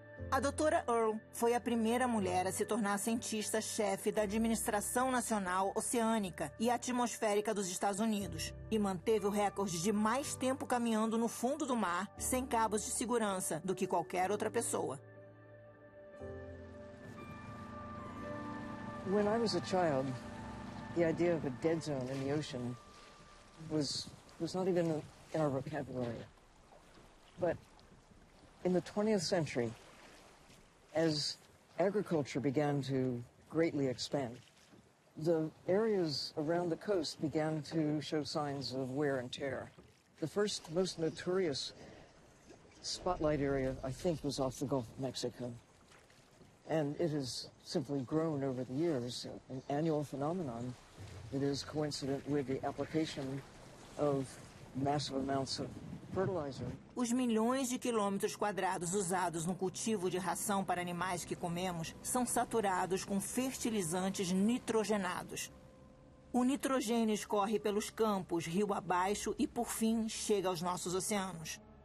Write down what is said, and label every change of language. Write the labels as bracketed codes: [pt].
[pt] A doutora Earle foi a primeira mulher a se tornar cientista-chefe da Administração Nacional Oceânica e Atmosférica dos Estados Unidos e manteve o recorde de mais tempo caminhando no fundo do mar sem cabos de segurança do que qualquer outra pessoa. [en] When I was a child, the idea of a dead zone in the ocean was not even in our vocabulary. But in the 20th century, as agriculture began to greatly expand, the areas around the coast began to show signs of wear and tear. The first most notorious spotlight area, I think, was off the Gulf of Mexico. And it has simply grown over the years, an annual phenomenon that is coincident with the application of massive amounts of fertilizer. [pt] Os milhões de quilômetros quadrados usados no cultivo de ração para animais que comemos são saturados com fertilizantes nitrogenados. O nitrogênio escorre pelos campos, rio abaixo e, por fim, chega aos nossos oceanos.